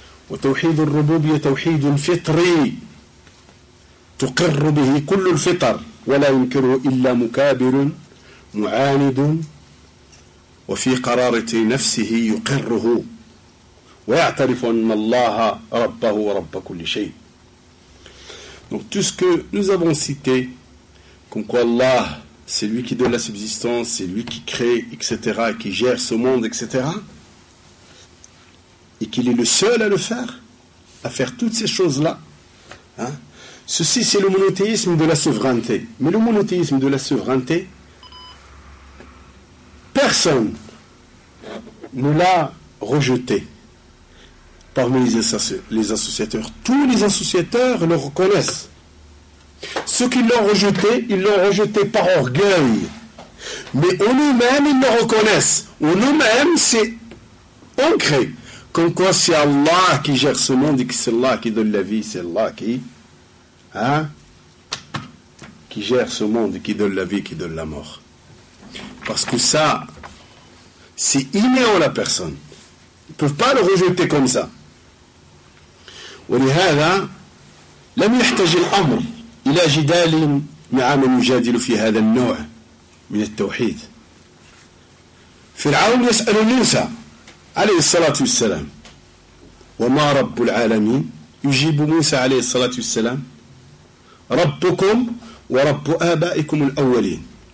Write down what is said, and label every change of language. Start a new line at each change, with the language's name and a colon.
Arabic: وتوحيد الربوبية توحيد فطري تقر به كل الفطر ولا ينكره إلا مكابر معاند وفي قرارة نفسه يقره ويعترف أن الله ربه ورب كل شيء.
French: Donc tout ce que nous avons cité, comme quoi Allah, c'est lui qui donne la subsistance, c'est lui qui crée, etc., qui gère ce monde, etc., et qu'il est le seul à le faire, à faire toutes ces choses-là, hein? Ceci, c'est le monothéisme de la souveraineté. Mais le monothéisme de la souveraineté, personne ne l'a rejeté. Parmi les associateurs, tous les associateurs le reconnaissent. Ceux qui l'ont rejeté, ils l'ont rejeté par orgueil. Mais en eux-mêmes, ils le reconnaissent. En eux-mêmes, c'est ancré. Comme quoi, c'est Allah qui gère ce monde et que c'est Allah qui donne la vie. C'est Allah qui, hein, qui gère ce monde et qui donne la vie et qui donne la mort. Parce que ça, c'est inné en la personne. Ils ne peuvent pas le rejeter comme ça.
Arabic: ولهذا لم يحتج الأمر إلى جدال مع من يجادل في هذا النوع من التوحيد. فرعون يسأل موسى عليه الصلاة والسلام وما رب العالمين؟ يجيب موسى عليه الصلاة والسلام ربكم ورب آبائكم الأولين.